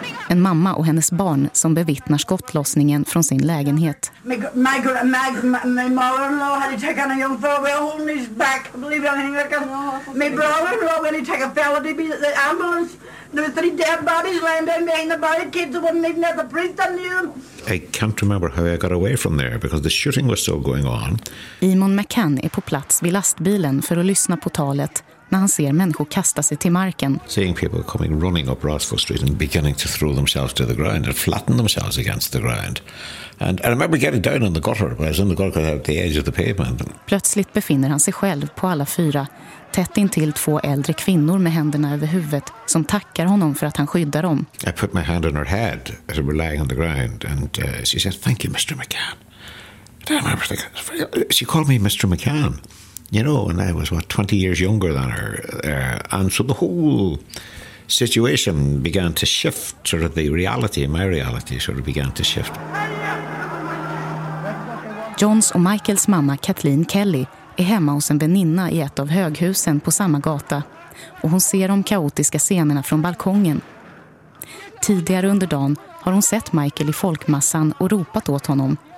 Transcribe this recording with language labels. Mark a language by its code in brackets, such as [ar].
[sv] En mamma och hennes barn som bevittnar skottlossningen från sin lägenhet. [en] I can't remember how I got away from there because the shooting was still going on. [sv] Eamon McCann är på plats vid lastbilen för att lyssna på talet när han ser människor kasta sig till marken. [en] Seeing people coming running up Rossville Street and beginning to throw themselves to the ground and flatten themselves against the ground. And I remember getting down in the gutter, but I was in the gutter at the edge of the pavement. [sv] Plötsligt befinner han sig själv på alla fyra, tätt in till två äldre kvinnor med händerna över huvudet som tackar honom för att han skyddar dem. [en] I put my hand on her head as we were lying on the ground and she said, "Thank you, Mr. McCann." And I remember thinking, she called me Mr. McCann. You know, and I was, 20 years younger than her. And so the whole situation began to shift, sort of the reality, my reality sort of began to shift. [sv] Johns och Michaels mamma Kathleen Kelly är hemma hos en väninna i ett av höghusen på samma gata. Och hon ser de kaotiska scenerna från balkongen. Tidigare under dagen har hon sett Michael i folkmassan och ropat åt honom.